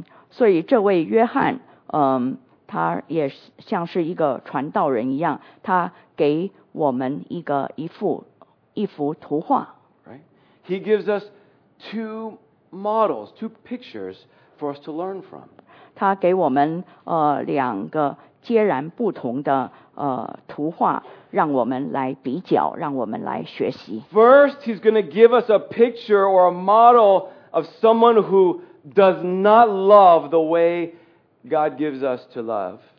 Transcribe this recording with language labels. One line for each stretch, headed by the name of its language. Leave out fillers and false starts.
Chinese: 所以这位约翰他也像是一个传道人一样，他给我们一幅图画。
English: Right? He gives us two models, two pictures for us to learn from.
Chinese: 他给我们两个截然不同的图画，让我们来比较，让我们来学习。
English: First, he's going to give us a picture or a model of someone who does not love the way God gives us to love.